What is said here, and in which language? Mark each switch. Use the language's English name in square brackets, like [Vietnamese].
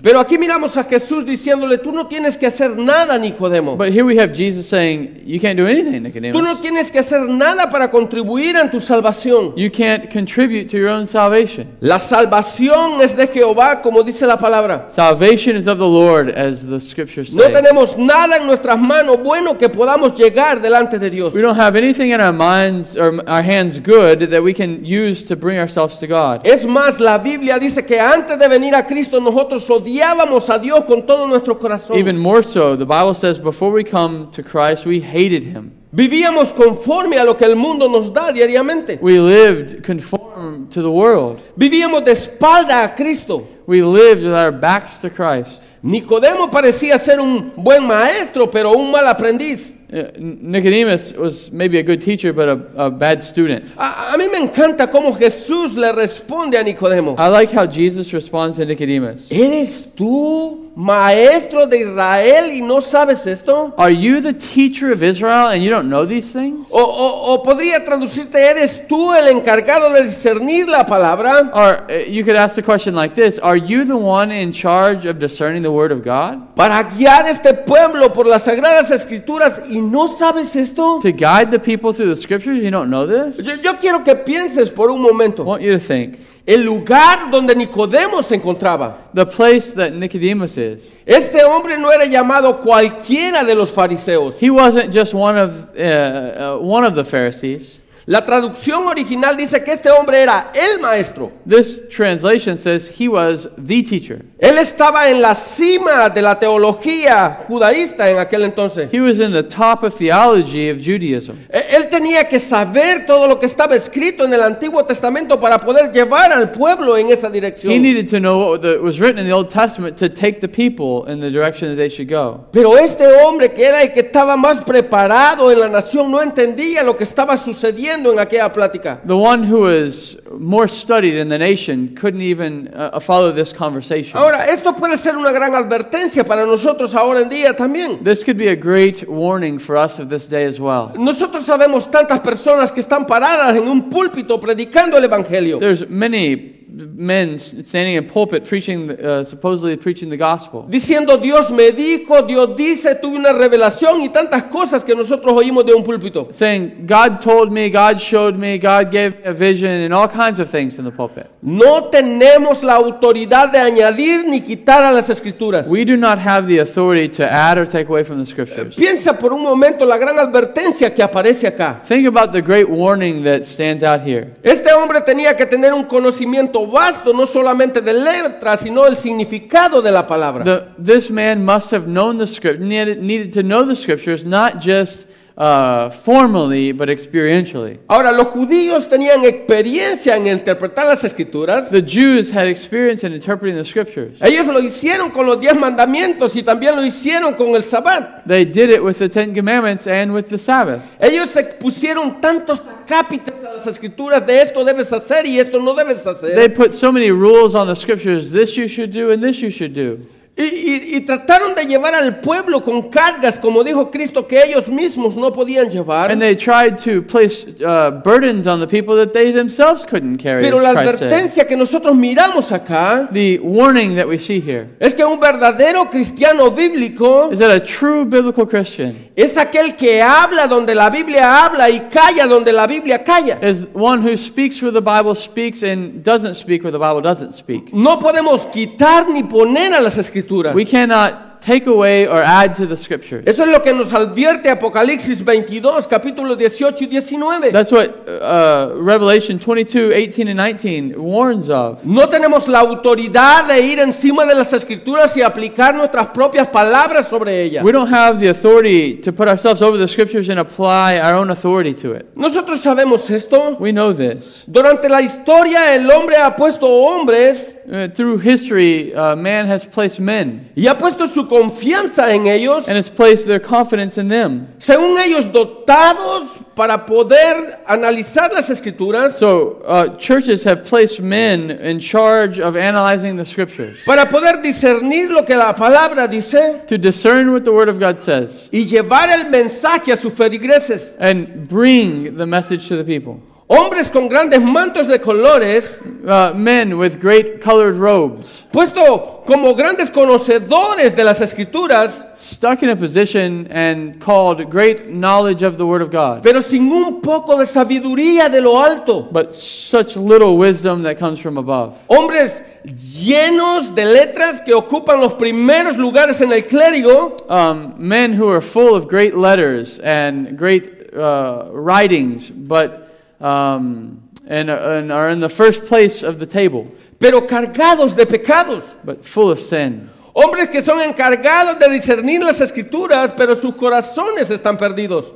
[Spanish] Pero aquí miramos a Jesús diciéndole, tú no tienes que hacer nada, Nicodemo. [English] But here we have Jesus saying, you can't do anything, Nicodemus. [Spanish] Tú no tienes que hacer nada para contribuir en tu salvación. [English] You can't contribute to your own salvation. [Spanish] La salvación es de Jehová, como dice la palabra. [English] Salvation is of the Lord, as the scriptures say. [Spanish] No tenemos nada en nuestras manos bueno que podamos llegar delante de Dios. [English] We don't have anything in our minds or our hands good that we can use to bring ourselves to God. [Spanish] Es más, la Biblia dice que antes de venir a Cristo nosotros odiábamos a Dios con todo nuestro corazón. [English] Even more so, the Bible says before we come to Christ we hated him. [Spanish] Vivíamos conforme a lo que el mundo nos da diariamente. [English] We lived conform to the world. [Spanish] Vivíamos de espalda a Cristo. [English] We lived with our backs to Christ. [Spanish] Nicodemo parecía ser un buen maestro, pero un mal aprendiz. [English] Nicodemus was maybe a good teacher, but a bad student. [Spanish] A mí me encanta cómo Jesús le responde a Nicodemo. [English] I like how Jesus responds to Nicodemus. [Spanish] ¿Eres tú maestro de Israel y no sabes esto? [English] Are you the teacher of Israel and you don't know these things? [Spanish] O podría traducirte, ¿eres tú el encargado de discernir la palabra? [English] Or you could ask the question like this, are you the one in charge of discerning the word of God? [Spanish] Para guiar este pueblo por las sagradas escrituras y no sabes esto? [English] To guide the people through the scriptures, you don't know this? [Spanish] Yo quiero que pienses por un momento. [English] I want you to think. [Spanish] El lugar donde Nicodemo se encontraba. [English] The place that Nicodemus is. [Spanish] Este hombre no era llamado cualquiera de los fariseos. [English] He wasn't just one of the Pharisees. [Spanish] La traducción original dice que este hombre era el maestro. [English] This translation says he was the teacher. [Spanish] Él estaba en la cima de la teología judaísta en aquel entonces. [English] He was in the top of theology of Judaism. [Spanish] Él tenía que saber todo lo que estaba escrito en el Antiguo Testamento para poder llevar al pueblo en esa dirección. [English] He needed to know what was written in the Old Testament to take the people in the direction that they should go. [Spanish] Pero este hombre que era el que estaba más preparado en la nación no entendía lo que estaba sucediendo. [English] The one who is more studied in the nation couldn't even follow this conversation. [Spanish] Ahora, esto puede ser una gran advertencia para nosotros ahora en día también. [English] This could be a great warning for us of this day as well. [Spanish] Nosotros sabemos tantas personas que están paradas en un púlpito predicando el evangelio. [English] There's many men standing in pulpit preaching, supposedly preaching the gospel. [Spanish] Diciendo, Dios me dijo, Dios dice, tuve una revelación y tantas cosas que nosotros oímos de un púlpito. [English] Saying, God told me, God showed me, God gave me a vision and all kinds of things in the pulpit. [Spanish] No tenemos la autoridad de añadir ni quitar a las escrituras. [English] We do not have the authority to add or take away from the scriptures. [Spanish] Piensa por un momento la gran advertencia que aparece acá. [English] Think about the great warning that stands out here. [Spanish] Este hombre tenía que tener un conocimiento vasto, no solamente de letra, sino el significado de la palabra. [English] This man must have known the script, needed to know the scriptures, not just formally, but experientially. [Spanish] Ahora, los judíos tenían experiencia en interpretar las escrituras. [English] The Jews had experience in interpreting the scriptures. [Spanish] Ellos lo hicieron con los diez mandamientos y también lo hicieron con el Sabbat. [English] They did it with the Ten Commandments and with the Sabbath. [Spanish] Ellos se pusieron tantos capítulos a las escrituras de esto debes hacer y esto no debes hacer. [English] They put so many rules on the scriptures, this you should do and this you should do. [Spanish] Y trataron de llevar al pueblo con cargas, como dijo Cristo, que ellos mismos no podían llevar. [English] And they tried to place burdens on the people that they themselves couldn't carry. [Spanish] Pero la advertencia que nosotros miramos acá, [English] the warning that we see here, [Spanish] es que un verdadero cristiano bíblico, [English] is that a true biblical Christian, [Spanish] es aquel que habla donde la Biblia habla y calla donde la Biblia calla. [English] Is one who speaks where the Bible speaks and doesn't speak where the Bible doesn't speak. [Spanish] No podemos quitar ni poner a las escrituras. [English] We cannot take away or add to the scriptures. [Spanish] Eso es lo que nos advierte Apocalipsis 22, capítulo 18 y 19. [English] That's what Revelation 22, 18 and 19 warns of. [Spanish] No tenemos la autoridad de ir encima de las escrituras y aplicar nuestras propias palabras sobre ellas. [English] We don't have the authority to put ourselves over the scriptures and apply our own authority to it. [Spanish] Nosotros sabemos esto. [English] We know this. [Spanish] Durante la historia el hombre ha puesto hombres. [English] Through history, man has placed men. [Spanish] Y ha puesto su confianza en ellos. [English] And has placed their confidence in them. [Spanish] Según ellos dotados para poder analizar las escrituras. [English] So, churches have placed men in charge of analyzing the scriptures. [Spanish] Para poder discernir lo que la palabra dice. [English] To discern what the word of God says. [Spanish] Y llevar el mensaje a sus feligreses. [English] And bring the message to the people. [Spanish] Hombres con grandes mantos de colores, [English] men with great colored robes, [Spanish] puesto como grandes conocedores de las escrituras, [English] stuck in a position and called great knowledge of the word of God, [Spanish] pero sin un poco de sabiduría de lo alto, [English] but such little wisdom that comes from above. [Spanish] Hombres llenos de letras que ocupan los primeros lugares en el clérigo, [English] men who are full of great letters and great writings, but and are in the first place of the table. [Spanish] Pero cargados de pecados. [English] But full of sin. [Spanish] Hombres que son encargados de discernir las escrituras, pero sus corazones están perdidos.